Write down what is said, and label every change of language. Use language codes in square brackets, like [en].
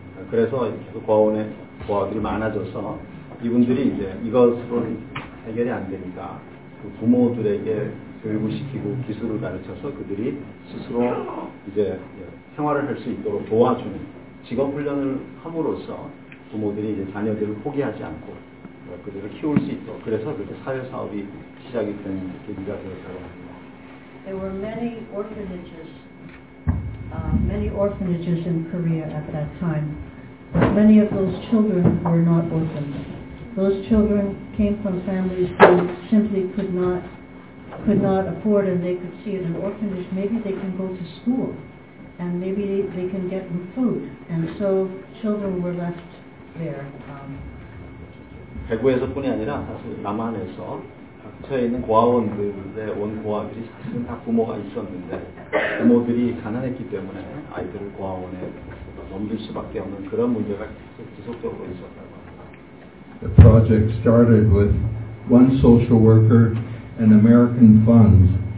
[ko] 그래서 계속 고아원에 고아들이 많아져서 이분들이 이제 이것으로는 해결이 안 되니까 그 부모들에게 교육을 시키고 기술을 가르쳐서 그들이 스스로 이제 생활을 할 수 있도록 도와주는 직업 훈련을 함으로써 부모들이 이제 자녀들을 포기하지 않고 그들을 키울 수 있도록 그래서 그렇게 사회 사업이 시작이 된 계기가 되었다고 합니다. [en] There were many orphanages, many orphanages in Korea at that time. But many of those children were not orphans. Those children came from families who simply could not afford, and they could see at an orphanage, maybe they can go to school, and maybe they can get some food. And so children were left there. [ko] 대구에서뿐이 아니라 사실 남한에서 각처에 있는 고아원들의 원 고아들이 사실은 다 부모가 있었는데 부모들이 가난했기 때문에 아이들을 고아원에 넘길 수밖에 없는 그런 문제가 지속적으로 있었다고. [en] The project started with one social worker and American funds.